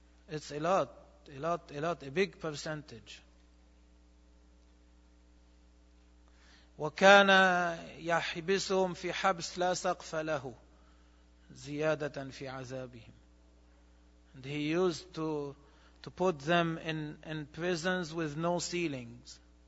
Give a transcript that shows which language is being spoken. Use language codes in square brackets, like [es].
[en] It's a lot, a big percentage. [ar] وكان يحبسهم في حبس لا سقف له زيادة في عذابهم. [en] And he used to put them in prisons with no ceilings.